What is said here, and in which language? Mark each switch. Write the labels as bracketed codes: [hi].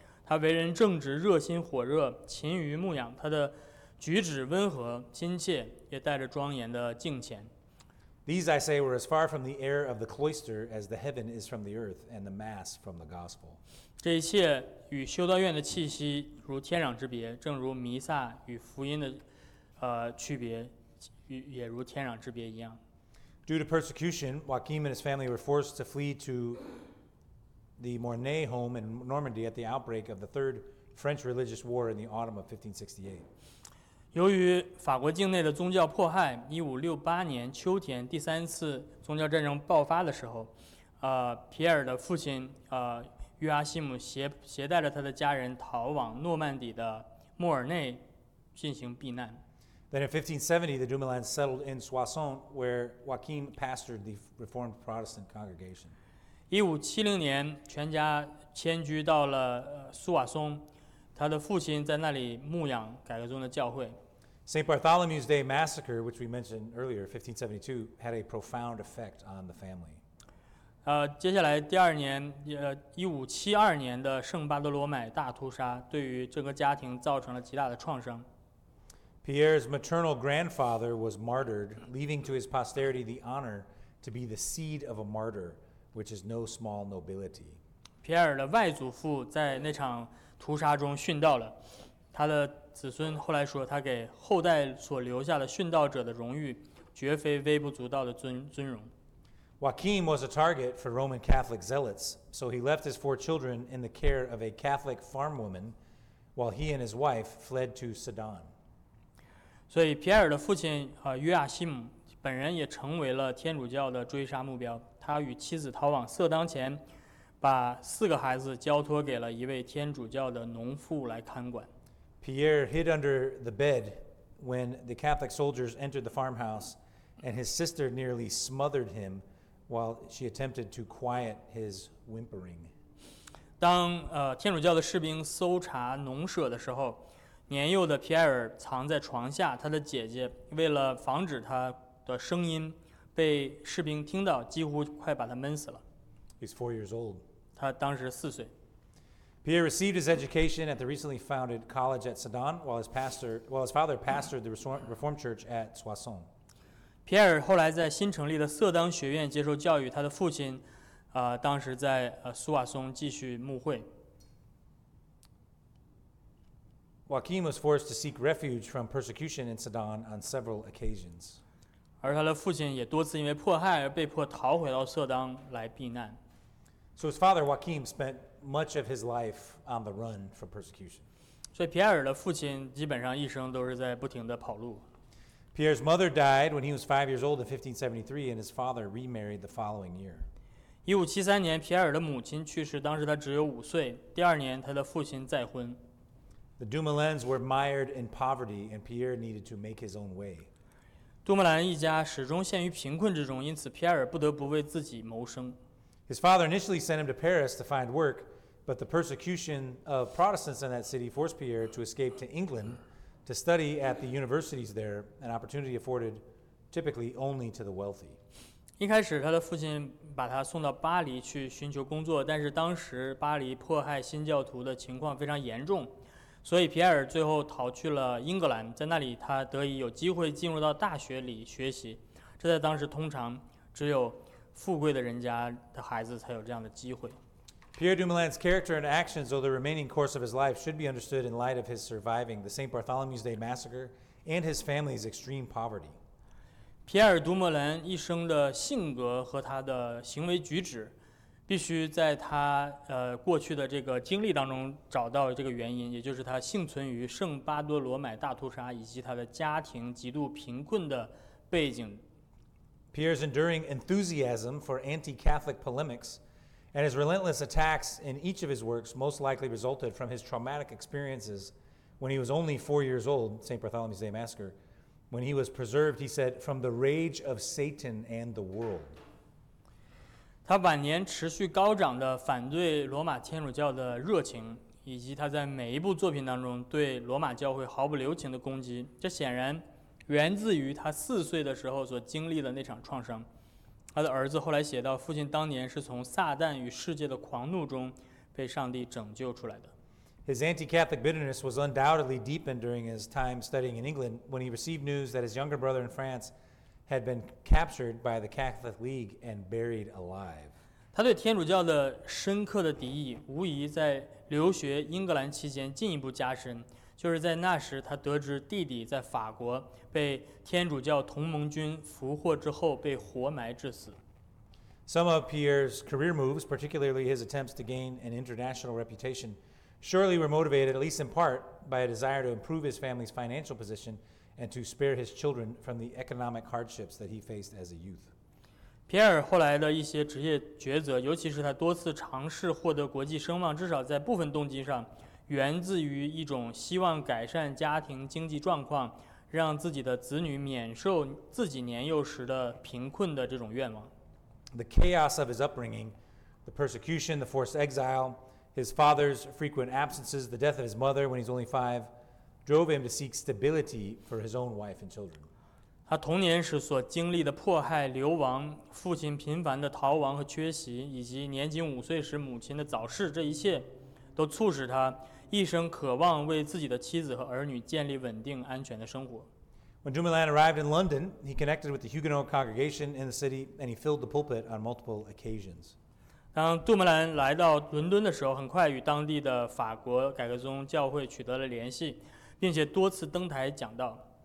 [zh] 他为人正直，热心火热，勤于牧养。他的举止温和亲切，也带着庄严的敬虔。 [en] These I say were as far from the air of the cloister as the heaven is from the earth, and the mass from the gospel. [zh] 这一切与修道院的气息如天壤之别，正如弥撒与福音的区别，也如天壤之别一样。 [en] Due to persecution, Joachim and his family were forced to flee to the Mornay home in Normandy at the outbreak of the Third French Religious War in the autumn of 1568. [zh] 由于法国境内的宗教迫害，1568年秋天第三次宗教战争爆发的时候，皮埃尔的父亲约阿希姆携带着他的家人逃往诺曼底的莫尔内进行避难。 [en] Then in 1570, the Dumoulins settled in Soissons, where Joachim pastored the Reformed Protestant congregation. [zh] 1570年，全家迁居到了苏瓦松。他的父亲在那里牧养改革宗的教会。 [en] St. Bartholomew's Day Massacre, which we mentioned earlier, 1572, had a profound effect on the family. [zh] 接下来第二年，1572年的圣巴德罗买大屠杀，对于这个家庭造成了极大的创伤。 [en] Pierre's maternal grandfather was martyred, leaving to his posterity the honor to be the seed of a martyr, which is no small nobility. [zh] 皮埃尔的外祖父在那场屠杀中殉道了，他的子孙后来说，他给后代所留下的殉道者的荣誉，绝非微不足道的尊荣。 [en] Joachim was a target for Roman Catholic zealots, so he left his four children in the care of a Catholic farm woman, while he and his wife fled to Sedan. [zh] 所以皮埃尔的父亲约亚希姆本人也成为了天主教的追杀目标，他与妻子逃往色当前。把四个孩子交托给了一位天主教的农妇来看管。 [en] Pierre hid under the bed when the Catholic soldiers entered the farmhouse, and his sister nearly smothered him while she attempted to quiet his whimpering. [zh] 当天主教的士兵搜查农舍的时候，年幼的皮埃尔藏在床下，他的姐姐为了防止他的声音被士兵听到，几乎快把他闷死了。 [en] He's 4 years old. [zh] 他当时四岁。 [en] Pierre received his education at the recently founded college at Sedan, while his father pastored the Reformed Church at Soissons. [zh] Pierre 后来在新成立的色当学院接受教育，他的父亲，当时在苏瓦松继续牧会。 [en] Joachim was forced to seek refuge from persecution in Sedan on several occasions. [zh] 而他的父亲也多次因为迫害而被迫逃回到色当来避难。 [en] So his father Joachim spent much of his life on the run from persecution. [zh] 所以皮埃尔的父亲基本上一生都是在不停的跑路。 [en] Pierre's mother died when he was 5 years old in 1573, and his father remarried the following year. [zh] 1573年，皮埃尔的母亲去世，当时他只有五岁。第二年，他的父亲再婚。 [en] The Dumoulins were mired in poverty, and Pierre needed to make his own way. [zh] 杜莫兰一家始终陷于贫困之中，因此皮埃尔不得不为自己谋生。 [en] His father initially sent him to Paris to find work, but the persecution of Protestants in that city forced Pierre to escape to England to study at the universities there, an opportunity afforded typically only to the wealthy. [zh] 一开始他的父亲把他送到巴黎去寻求工作，但是当时巴黎迫害新教徒的情况非常严重，所以皮埃尔最后逃去了英格兰，在那里他得以有机会进入到大学里学习，这在当时通常只有富贵的人家的孩子才有这样的机会。 [en] Pierre Dumoulin's character and actions over the remaining course of his life should be understood in light of his surviving the St. Bartholomew's Day massacre and his family's extreme poverty. [zh] 皮埃尔·杜莫兰一生的性格和他的行为举止必须在他过去的这个经历当中找到这个原因，也就是他幸存于圣巴多罗买大屠杀以及他的家庭极度贫困的背景。 [en] Pierre's enduring enthusiasm for anti-Catholic polemics and his relentless attacks in each of his works most likely resulted from his traumatic experiences when he was only 4 years old, St. Bartholomew's Day Massacre, when he was preserved, he said, from the rage of Satan and the world. [zh] 他晚年持续高涨的反对罗马天主教的热情，以及他在每一部作品当中对罗马教会毫不留情的攻击，这显然源自于他四岁的时候所经历的那场创伤。他的儿子后来写到，父亲当年是从撒旦与世界的狂怒中被上帝拯救出来的。 [en] His anti-Catholic bitterness was undoubtedly deepened during his time studying in England when he received news that his younger brother in France had been captured by the Catholic League and buried alive. [zh] 他对天主教的深刻的敌意无疑在留学英格兰期间进一步加深，就是在那时他得知弟弟在法国被天主教同盟军俘获之后被活埋致死。 [en] Some of Pierre's career moves, particularly his attempts to gain an international reputation, surely were motivated, at least in part, by a desire to improve his family's financial position and to spare his children from the economic hardships that he faced as a youth. [zh] 皮埃尔后来的一些职业抉择，尤其是他多次尝试获得国际声望，至少在部分动机上源自于一种希望改善家庭经济状况，让自己的子女免受自己年幼时的贫困的这种愿望。 [en] The chaos of his upbringing, the persecution, the forced exile, his father's frequent absences, the death of his mother when he's only 5, drove him to seek stability for his own wife and children. [zh] 他童年时所经历的迫害、流亡、父亲频繁的逃亡和缺席，以及年仅五岁时母亲的早逝，这一切都促使他一生渴望为自己的妻子和儿女建立稳定安全的生活。 [en] When Dumoulin arrived in London, he connected with the Huguenot congregation in the city, and he filled the pulpit on multiple occasions. [zh] 当杜莫兰来到伦敦的时候，很快与当地的法国改革宗教会取得了联系，并且多次登台讲道。